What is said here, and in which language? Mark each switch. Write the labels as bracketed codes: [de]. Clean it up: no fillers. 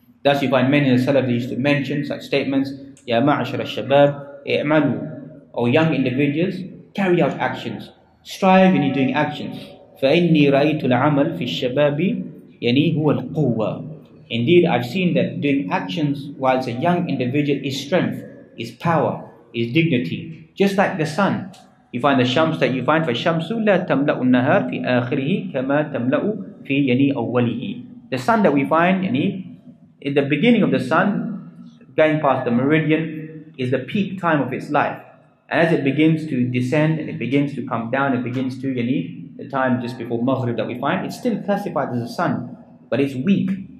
[en] Thus you find many of the salaf used to mention such statements, [ar] Ya ma'ashara shabab, i'malu, [en] or young individuals, carry out actions. Strive in doing actions. [ar] فَإِنِّي رَأَيْتُ الْعَمَلْ فِي الشَّبَابِ يَنِي هُوَ الْقُوَّةِ. [en] Indeed, I've seen that doing actions whilst a young individual is strength, is power, is dignity. Just like the sun. You find the shams that you find for shamsu [ar] لَا تَمْلَأُ النَّهَارِ فِي آخِرِهِ كَمَا تَمْلَأُ فِي يَنِي أَوَّلِهِ. [en] The sun that we find, in the beginning of the sun, going past the meridian, is the peak time of its life. And as it begins to descend, and it begins to come down, it begins to, yani, the time just before Maghrib that we find, it's still classified as a sun, but it's weak.